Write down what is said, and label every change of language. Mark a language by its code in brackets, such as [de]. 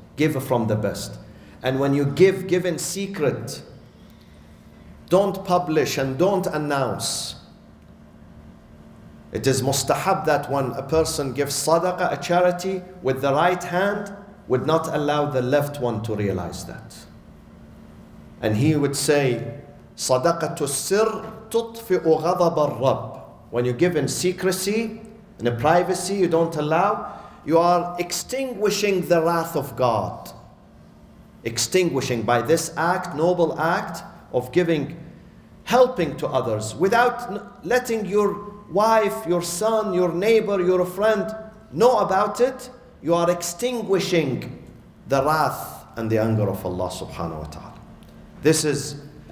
[en] Give from the best. And when you give, give in secret. Don't publish and don't announce. It is mustahab that when a person gives sadaqah, a charity, with the right hand, would not allow the left one to realize that. And he would say, [ar] صَدَقَةُ السِّرِّ تُطْفِئُ غَضَبَ الرَّبِّ. [en] When you give in secrecy, in a privacy you don't allow, you are extinguishing the wrath of God. Extinguishing by this act, noble act, of giving, helping to others, without letting your wife, your son, your neighbor, your friend know about it, you are extinguishing the wrath and the anger of Allah subhanahu wa ta'ala. This is